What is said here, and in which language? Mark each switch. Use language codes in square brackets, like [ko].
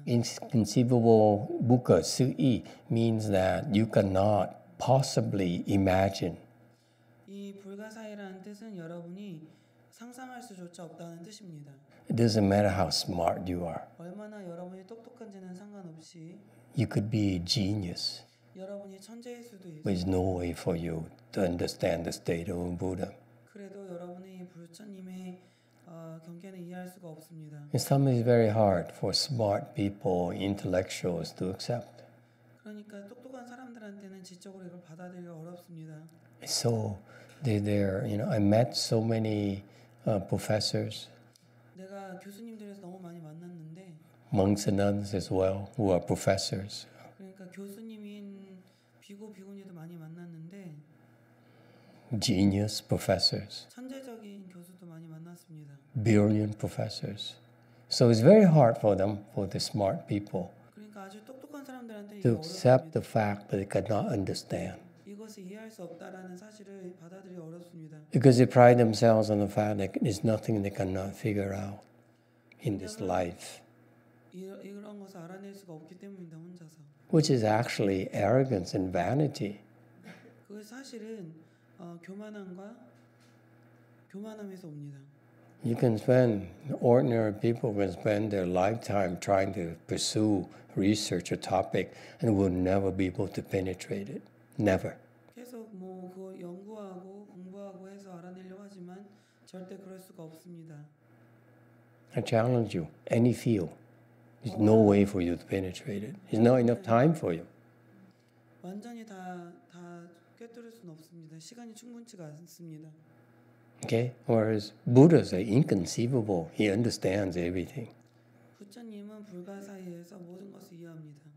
[en] Inconceivable, buka, su'i, means that you cannot possibly imagine. [ko] 이 불가사의라는 뜻은 여러분이 상상할 수조차 없다는 뜻입니다. [en] It doesn't matter how smart you are. [ko] 얼마나 여러분이 똑똑한지는 상관없이. [en] You could be a genius. [ko] 여러분이 천재일 수도 있어. [en] There's no way for you to understand the state of Buddha. [ko] 그래도 여러분이 부처님의 경계는 이해할 수가 없습니다. [en] And some is very hard for smart people, intellectuals to accept. [ko] 그러니까 똑똑한 사람들한테는 지적으로 이걸 받아들이기 어렵습니다. [en] So they're, you know, I met so many professors. [ko] 내가 교수님들에서 너무 많이 만났는데. [en] Monks and nuns as well, who are professors. [ko] 그러니까 교수님인 비구 비구니도 많이 만났는데. [en] Genius professors. [ko] 천재적인 교수도 많이 만났습니다. [en] Brilliant professors. So it's very hard for them, for the smart people. [ko] 그러니까 아주 똑똑한 사람들한테. [en] To accept the fact that they cannot understand. [ko] 이것을 이해할 수 없다라는 사실을 받아들이기 어렵습니다. [en] Because they pride themselves on the fact that there's nothing they cannot figure out in this life. [ko] 이런 것을 알아낼 수가 없기 때문입니다, 혼자서. [en] Which is actually arrogance and vanity. [ko] 그것 사실은 교만함과 교만함에서 옵니다. [en] You can spend, ordinary people can spend their lifetime trying to pursue research a topic and will never be able to penetrate it. Never. [ko] 계속 뭐 그 연구하고 공부하고 해서 알아내려고 하지만 절대 그럴 수가 없습니다. [en] I challenge you, any field. There's no way for you to penetrate it. There's not enough time for you. [ko] 완전히 다 깨뜨릴 수는 없습니다. 시간이 충분치가 않습니다. [en] Okay. Whereas Buddha's inconceivable. He understands everything. [ko] 부처님은 불가 사이에서 모든 것을 이해합니다.